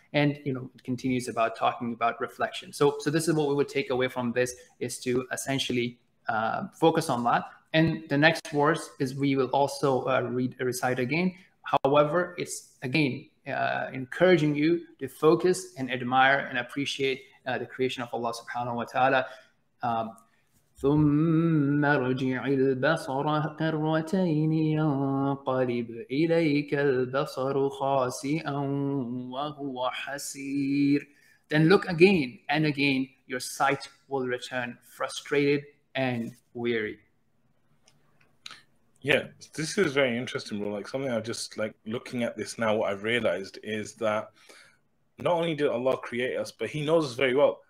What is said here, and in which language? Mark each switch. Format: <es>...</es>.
<en>And, it continues about talking about reflection. So this is what we would take away from this, is to essentially focus on that. And the next verse is we will also recite again. However, it's, again, encouraging you to focus and admire and appreciate the creation of Allah subhanahu wa ta'ala.</en> <ar>ثم ارجع البصر كرتين ينقلب إليك البصر خاسئا وهو حسير.</ar> <en>Then look again and again, your sight will return frustrated and weary. Yeah, this is very interesting, bro. Like, something I've just, like, looking at this now, what I've realized is that not only did Allah create us, but He knows us very well.</en>